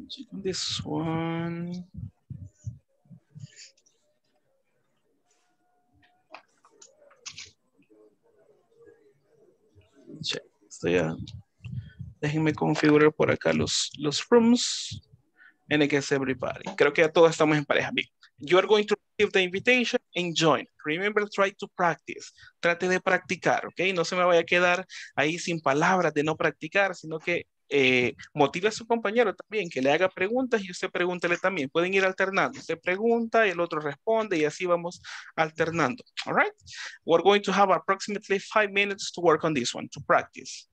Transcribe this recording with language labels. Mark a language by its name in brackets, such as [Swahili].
[English] This one. [Spanish] So ya, déjenme configurar por acá los rooms. [English] And I guess everybody. [Spanish] Creo que ya todos estamos en pareja. [English] You are going to receive the invitation and join. Remember, try to practice. [Spanish] Trate de practicar, ¿ok? No se me vaya a quedar ahí sin palabras de no practicar, sino que motive a su compañero también, que le haga preguntas y usted pregúntele también. Pueden ir alternando. Usted pregunta y el otro responde y así vamos alternando. [English] All right? We're going to have approximately 5 minutes to work on this one, to practice.